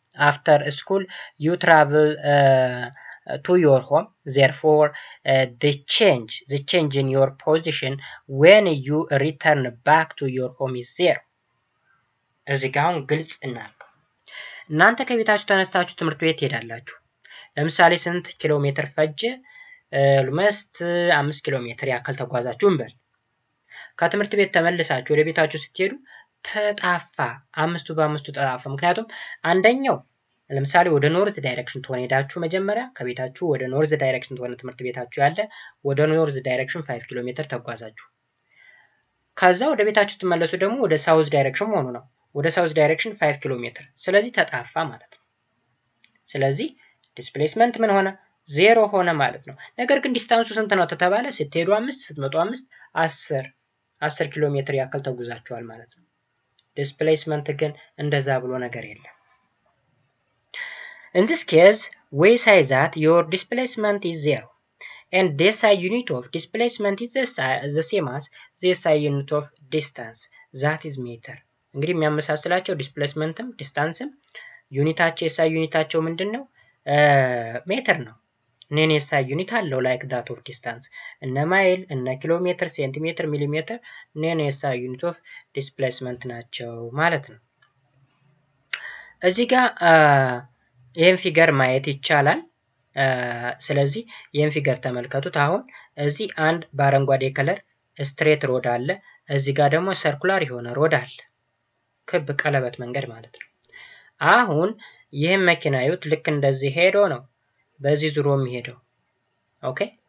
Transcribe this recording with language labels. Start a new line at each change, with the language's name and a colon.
English: After school, you travel to your home. Therefore, the change in your position when you return back to your home is zero.
Amharic: እዚህ ጋር አሁን ግልጽ እናድርግ። እናንተ ከቤታችሁ ተነስታችሁ ትምህርት ቤት ትሄዳላችሁ። ለምሳሌ ስንት ኪሎ ሜትር ፈጀ? ልመስት 5 ኪሎ ሜትር ያክል ተጓዛችሁ እንበል። ከትምህርት ቤት ተመልሳችሁ ወደ ቤታችሁ ስትሄዱ ተጣፋ፣ 5ቱ በ5ቱ ተጣፋ። ምክንያቱም አንደኛው ለምሳሌ ወደ ኖርዝ ዳይሬክሽን ተወነዳችሁ። መጀመሪያ ከቤታችሁ ወደ ኖርዝ ዳይሬክሽን ተወነ ትምህርት ቤታችሁ ያለ ወደ ኖርዝ ዳይሬክሽን 5 ኪሎ ሜትር ተጓዛችሁ። ከዛ ወደ ቤታችሁ ትመለሱ ደግሞ ወደ ሳውዝ ዳይሬክሽን ሆኖ ነው። ወደ ሳውዝ ዳይሬክሽን 5 ኪሎ ሜትር። ስለዚህ ተጣፋ ማለት ነው። ስለዚህ ዲስፕሌስመንት ምን ሆነ? 0 ሆነ ማለት ነው። ነገር ግን ዲስታንሱ ስንት ነው ተተባለ? ስትሄዱ 5 ስትመጡ 5 10 ኪሎ ሜትር ያክል ተጉዛችኋል ማለት ነው። ዲስፕሌስመንት ግን እንደዛ ብሎ ነገር የለም።
English: In this case, we say that your displacement is zero, and the SI unit of displacement is the same as the SI unit of distance, that is meter.
Amharic: እንግዲህ የሚያመሳስላቸው displacementም distanceም ዩኒታቸው SI ዩኒታቸው ምንድነው? ሜትር ነው። እኔ SI unit አለው
English: like that of distance.
Amharic: እነ ማይል እነ ኪሎ ሜትር ሴንቲሜትር ሚሊሜትር እኔ SI unit of displacement ናቸው ማለት ነው። እዚህ ጋር ይሄን ፊገር ማየት ይቻላል። ስለዚህ ይሄን ፊገር ተመልከቱት አሁን እዚህ አንድ ባረንጓዴ ከለር ስትሬት ሮድ አለ እዚህ ጋር ደግሞ ሰርኩላር የሆነ ሮድ አለ ክብ ቀለበት መንገድ ማለት ነው አሁን ይሄን መኪና ይውት ልክ እንደዚህ ሄዶ ነው በዚህ ዙሮም ሄደው ኦኬ